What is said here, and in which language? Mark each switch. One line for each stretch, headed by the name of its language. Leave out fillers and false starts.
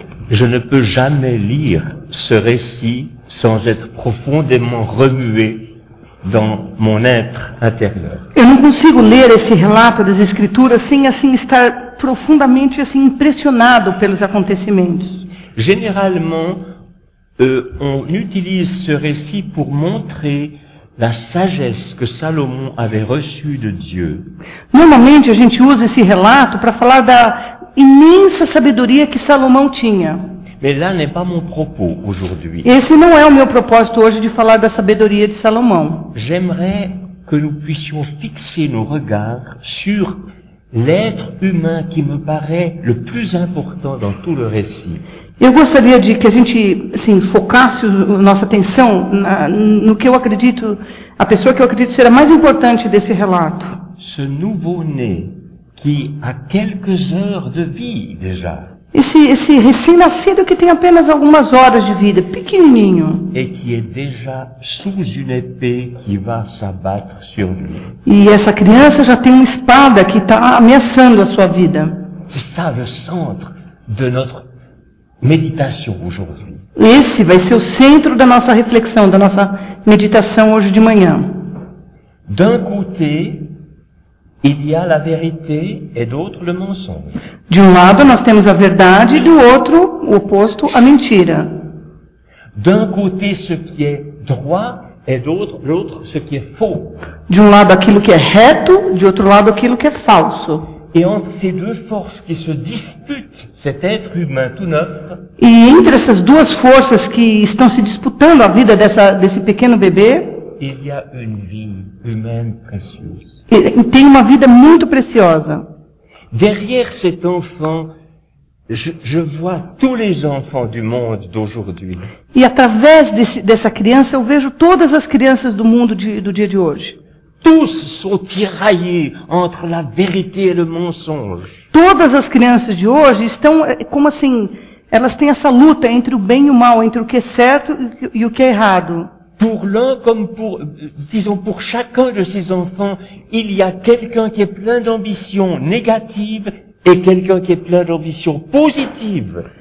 French: Je ne peux jamais lire ce récit sans être profondément remué dans mon être intérieur.
Portuguese: Eu não consigo ler esse relato das escrituras sem assim estar profundamente assim impressionado pelos acontecimentos.
French: Généralement, on utilise ce récit pour montrer la sagesse que Salomon avait reçue de Dieu.
Portuguese: Normalmente a gente usa esse relato para falar da imensa sabedoria que Salomão tinha.
French: Mais là n'est pas mon propos aujourd'hui.
Portuguese: Esse não é o meu propósito hoje de falar da sabedoria de Salomão.
French: J'aimerais que nous puissions fixer nos regards sur l'être humain qui me paraît le plus important dans tout le récit.
Portuguese: Eu gostaria de que a gente assim, focasse nossa atenção no que eu acredito, a pessoa que eu acredito ser a mais importante desse relato.
French: Ce nouveau-né qui a quelques heures de vie déjà.
Portuguese: Esse recém-nascido que tem apenas algumas horas de vida, pequenininho.
French: Et qui est déjà sous une épée qui va s'abattre sur lui.
Portuguese: E essa criança já tem uma espada que está ameaçando a sua vida.
French: C'est ça le centre de notre méditation aujourd'hui.
Portuguese: Esse vai ser o centro da nossa reflexão, da nossa meditação hoje de manhã.
French: D'un côté, il y a la vérité et d'autre le mensonge.
Portuguese: De um lado nós temos a verdade e do outro o oposto, a mentira.
French: D'un côté ce qui est droit et d'autre l'autre ce qui est faux.
Portuguese: De um lado aquilo que é reto, de outro lado aquilo que é falso.
French: Et entre ces deux forces qui se disputent cet être humain tout neuf.
Portuguese: E entre essas duas forças que estão se disputando a vida desse pequeno bebê,
French: il y a une vie humaine précieuse.
Portuguese: E tem uma vida muito preciosa.
French: Derrière cet enfant, je vois tous les enfants du monde d'aujourd'hui.
Portuguese: E através dessa criança eu vejo todas as crianças do mundo do dia de hoje.
French: Tous sont tiraillés entre la vérité et le mensonge.
Portuguese: Todas as crianças de hoje estão como assim, elas têm essa luta entre o bem e o mal, entre o que é certo e o que é errado.
French: Pour l'un comme pour, disons, pour chacun de ces enfants, il y a quelqu'un qui est plein d'ambition négative et quelqu'un qui est plein d'ambition positive.